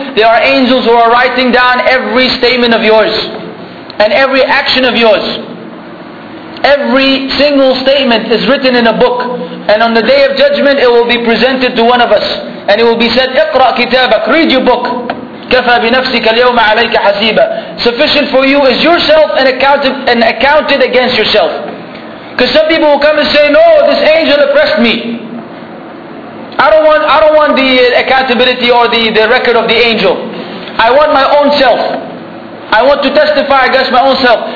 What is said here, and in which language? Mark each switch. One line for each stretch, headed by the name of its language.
English: There are angels who are writing down every statement of yours, and every action of yours. Every single statement is written in a book. And on the day of judgment, it will be presented to one of us. And it will be said,
Arabic: اقرأ كتابك,
English: read your book.
Arabic: كفى بنفسك اليوم عليك حسيبا.
English: Sufficient for you is yourself and accounted against yourself. Because some people will come and say, no, this angel oppressed me. I don't want the accountability or the record of the angel. I want my own self. I want to testify against my own self.